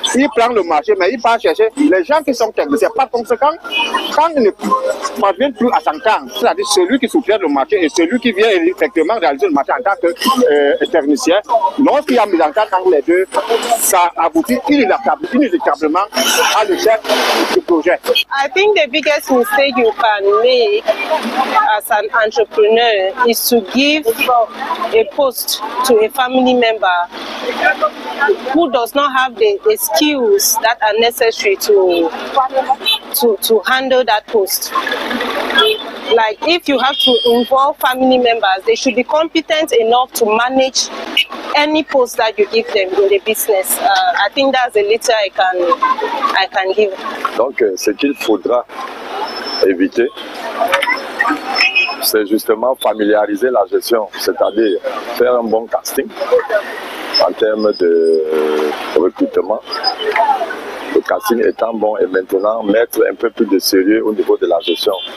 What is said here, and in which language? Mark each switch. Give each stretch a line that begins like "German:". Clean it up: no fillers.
French: Il prend le marché, mais il part chercher les gens qui sont techniciens. Par conséquent, quand il ne parvient plus à s'entendre, c'est-à-dire celui qui sous-traite le marché et celui qui vient effectivement réaliser le marché en tant que technicien, lorsqu'il y a mis en cas entre les deux, ça aboutit inévitablement à l'échec du projet.
English: I think the biggest mistake you can make as an entrepreneur is to give a post to a family member who does not have the skills that are necessary to handle that post. Like if you have to involve family members, they should be competent enough to manage any post that you give them in the business. I think that's a little I can give.
French: Donc ce qu'il faudra éviter, c'est justement familiariser la gestion, c'est-à-dire faire un bon casting en termes de recrutement. Le casting étant bon, et maintenant mettre un peu plus de sérieux au niveau de la gestion.